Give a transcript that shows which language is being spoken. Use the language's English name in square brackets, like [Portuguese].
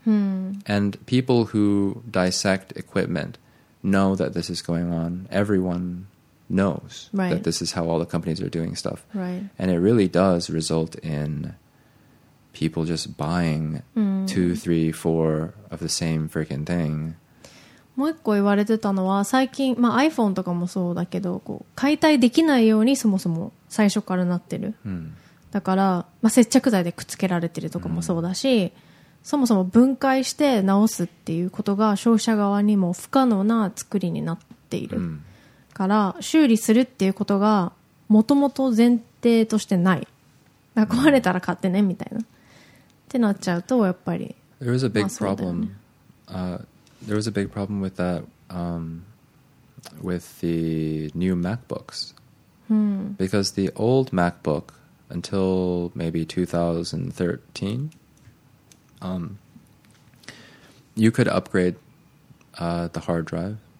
[English] And people who dissect equipment know that this is going on. Everyone knows that this is how all the companies are doing stuff. And it really does result in people just buying 2, 3, 4 of the same freaking thing. [Japanese] もう一個言われてたのは最近、まあ、iPhone とかもそうだけどこう解体できないようにそもそも最初からなってる、だから、まあ、接着剤でくっつけられてるとかもそうだし、そもそも分解して直すっていうことが消費者側にも不可能な作りになっている、から修理するっていうことがもともと前提としてない、だから壊れたら買ってねみたいなってなっちゃうとやっぱり [English] There is a big problem、There was a big problem with that, with the new MacBooks. Because the old MacBook, until maybe 2013, you could upgrade the hard drive.